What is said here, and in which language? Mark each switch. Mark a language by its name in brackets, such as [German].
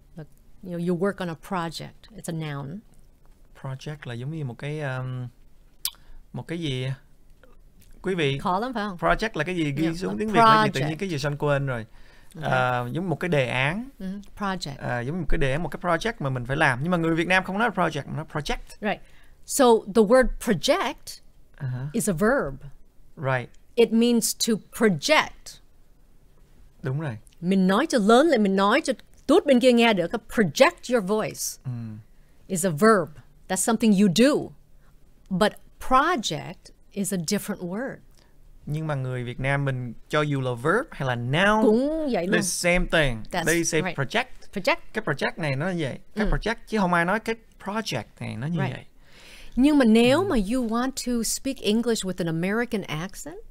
[English] Like, you know, you work on a project. It's a noun. [Vietnamese] Project là giống như một cái gì... Quý vị, lắm, phải không? Project là cái gì ghi xuống tiếng Việt là gì? Tự nhiên cái gì Sean quên rồi. Okay. Giống một cái đề án. [English] Project. [Vietnamese] Giống một cái đề án, một cái project mà mình phải làm. Nhưng mà người Việt Nam không nói project, mà nói project. [English] Right. So the word project is a verb. Right. It means to project. [Vietnamese] Đúng rồi. Mình nói cho lớn lên, mình nói cho tốt bên kia nghe được. [English] Project your voice is a verb. That's something you do. But project is a different word. [Vietnamese] Nhưng mà người Việt Nam mình cho dù là verb hay là noun, cũng vậy luôn. [English] The same thing. That's, they say right. Project. Project. [Vietnamese] Cái project này nó như vậy. Cái project. Chứ không ai nói cái project này nó như vậy. Nhưng mà nếu mà [English] you want to speak English with an American accent.